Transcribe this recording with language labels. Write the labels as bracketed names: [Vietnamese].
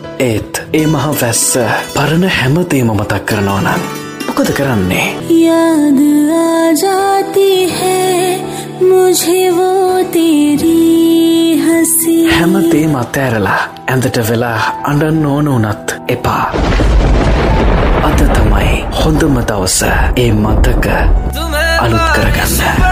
[Sinhala] ඒත් ඒ මහ වැස්ස පරණ හැමතේම මතක් කරනවා නම් මොකද කරන්නේ? [Hindi] याद आ जाती है मुझे वो तेरी हंसी. [Sinhala] හැමතේම අතෑරලා ඇඳට වෙලා අඬන්න ඕන උනත් එපා. අද තමයි හොඳම දවස ඒ මතක අලුත් කරගන්න.